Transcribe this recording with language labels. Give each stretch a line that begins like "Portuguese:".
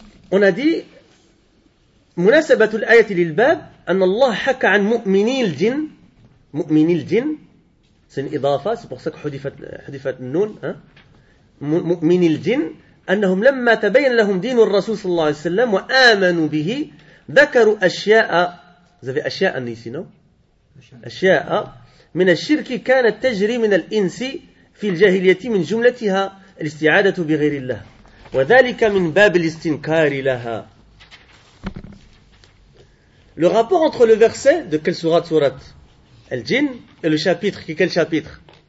French: On a dit
Arabic: munasabatul ayati lil bab an Allah haka an mu'minil jin,
French: c'est une idafa, c'est pour ça que
Arabic: hudifat nun, hein, mu'minil jin. أنهم لما تبين لهم دين الرسول صلى الله عليه وسلم وآمنوا به ذكروا أشياء أشياء من الشرك كانت تجري من الإنس في الجاهلية من جملتها الاستعادة بغير الله وذلك من باب الاستنكار لها.
French: Le rapport entre le verset de quelle sourate, sourate Al-Jin, et le chapitre, quel chapitre?